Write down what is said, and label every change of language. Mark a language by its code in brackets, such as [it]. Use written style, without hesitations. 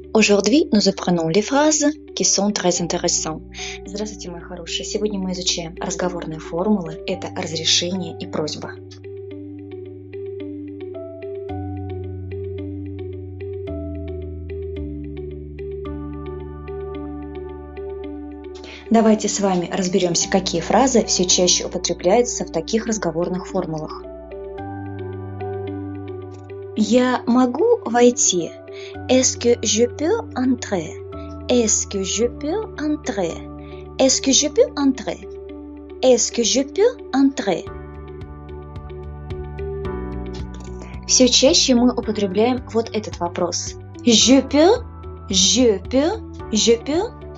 [fr] Aujourd'hui, nous apprenons les phrases qui sont très intéressantes. [ru] Здравствуйте, мои хорошие. Сегодня мы изучаем разговорные формулы. Это разрешение и просьба. Давайте с вами разберемся, какие фразы все чаще употребляются в таких разговорных формулах. Я могу войти? [fr] Est-ce que je peux entrer? Est-ce que je peux entrer? Est-ce que je peux entrer? Est-ce que je peux entrer? [ru] Все чаще мы употребляем вот этот вопрос. [fr] Je peux? Je peux? Je peux?